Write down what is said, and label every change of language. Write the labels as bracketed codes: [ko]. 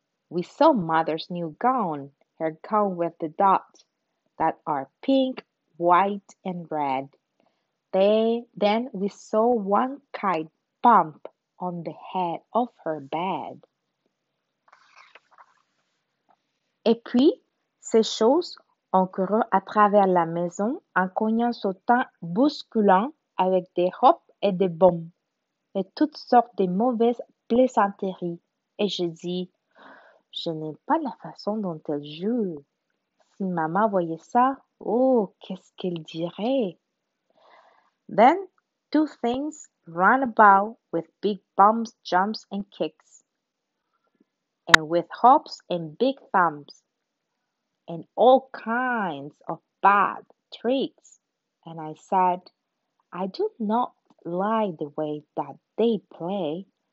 [en] We saw mother's new gown, her gown with the dots that are pink, white, and red. Then we saw one kite bump on the head of her bed. [fr] Et puis, ces choses ont couru à travers la maison en cognant, sautant, bousculant avec des hopes et des bombes et toutes sortes de mauvaises plaisanteries. Et je dis, je n'aime pas la façon dont elle joue. Si maman voyait ça, oh, qu'est-ce qu'elle dirait? [en] Then, two things run about with big bumps, jumps and kicks, and with hops and big thumps, and all kinds of bad tricks. And I said, I do not like the way that they play.